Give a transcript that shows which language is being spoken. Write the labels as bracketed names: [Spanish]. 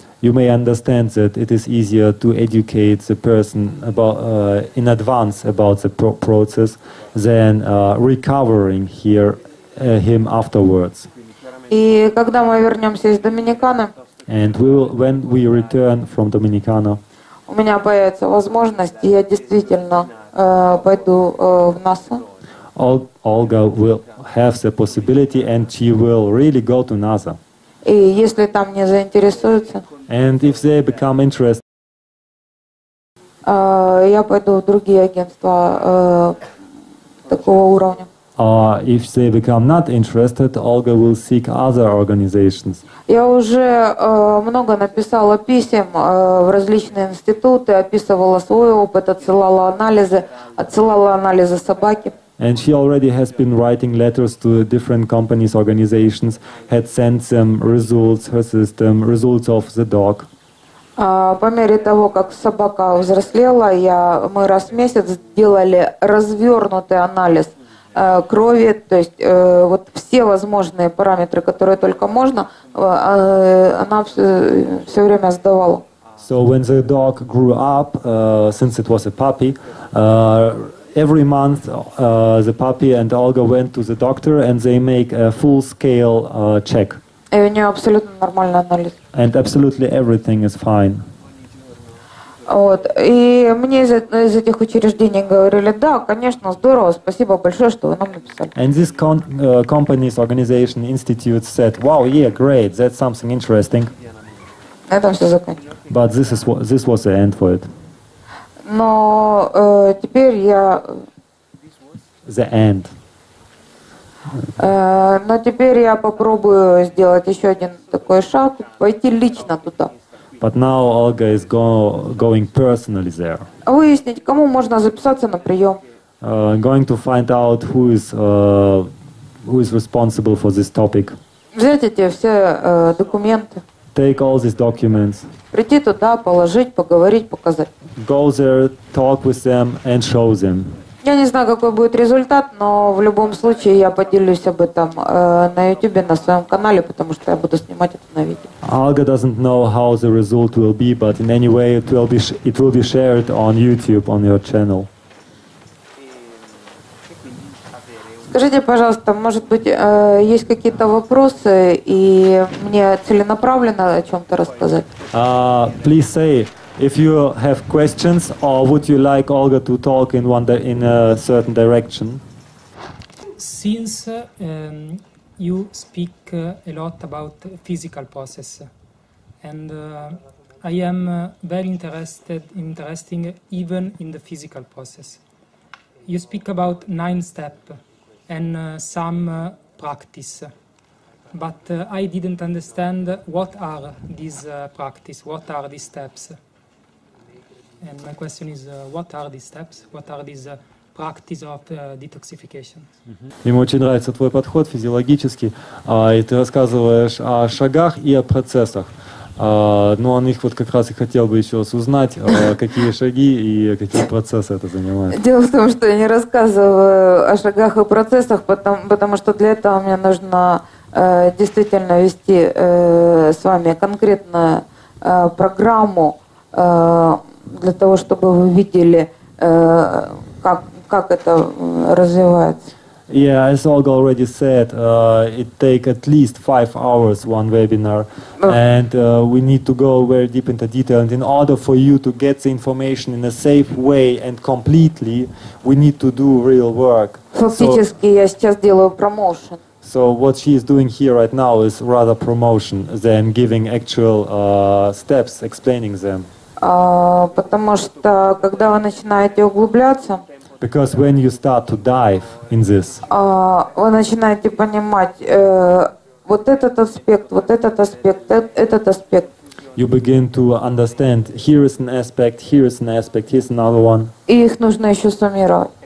[English] You may understand that it is easier to educate the person about in advance about the process than recovering here him afterwards. [Russian] И когда мы вернемся из Доминиканы? [English] And when we return from Dominicana? [Russian] У меня появится возможность, и я действительно пойду в НАСА. [English] Olga will have the possibility and she will really go to NASA. [Russian] И если там не заинтересуются, [English] and if they become interested, [Russian] я пойду в другие агентства такого уровня. [English] If they become not interested, Olga will seek other organizations. [Russian] Я уже много написала писем в различные институты, описывала свой опыт, отсылала анализы собаки. [English] And she already has been writing letters to different companies, organizations, had sent them results, her system, results of the dog. [Russian] По мере того, как собака взрослела, мы раз в месяц делали развернутый анализ крови, то есть вот все возможные параметры, которые только можно, она все время сдавала. [English] So when the dog grew up, since it was a puppy, every month the puppy and Olga went to the doctor and they make a full scale check. [Russian] И у неё абсолютно нормальный анализ. [English] And absolutely everything is fine. [Russian] Вот. И мне из этих учреждений говорили, да, конечно, здорово, спасибо большое, что вы нам написали. [English] And this company's organization institute said, wow, yeah, great, that's something interesting. [Russian] На этом все закончилось. [English] But this was the end for it. [Russian] Но теперь я... [English] The end. [Russian] Но теперь я попробую сделать еще один такой шаг, пойти лично туда. [English] But now Olga is going personally there. [Russian] Выяснить, кому можно записаться на прием. [English] Going to find out who is responsible for this topic. [Russian] Взять эти все документы. [English] Take all these documents. [Russian] Прийти туда, положить, поговорить, показать. [English] Go there, talk with them and show them. [Russian] Я не знаю, какой будет результат, но в любом случае я поделюсь об этом на YouTube, на своем канале, потому что я буду снимать это на видео. [English] Olga doesn't know how the result will be, but in any way it will be shared on YouTube, on your channel. [Russian] Скажите, пожалуйста, может быть, есть какие-то вопросы, и мне целенаправленно о чем-то рассказать? [English] Please say. If you have questions, or would you like Olga to talk in a certain direction? Since you speak a lot about physical process, and I am very interested even in the physical process. You speak about 9 steps and some practice. But I didn't understand what are these practice, what are these steps. And my question is, what are these steps? What are these practice of detoxification? [Russian] Мне очень нравится твой подход физиологический, и ты рассказываешь о шагах и о процессах. Но он их вот как раз и хотел бы еще раз узнать, какие шаги и какие процессы это занимает. Дело в том, что я не рассказываю о шагах и процессах, потому что для этого мне нужно действительно вести с вами конкретную программу. Для того, чтобы вы видели, как это развивается. [English] Yeah, as Olga already said, it takes at least 5 hours one webinar, and we need to go very deep into detail. And in order for you to get the information in a safe way and completely, we need to do real work. [Russian] Фактически, я сейчас делаю промоушен. [English] So what she is doing here right now is rather promotion than giving actual steps, explaining them. [Russian] Потому что когда вы начинаете углубляться, [English] Because when you start to dive in this, [Russian] вы начинаете понимать вот этот аспект. [English] You begin to understand here is an aspect, here is an aspect, here is another one. [Russian] И их нужно еще суммировать.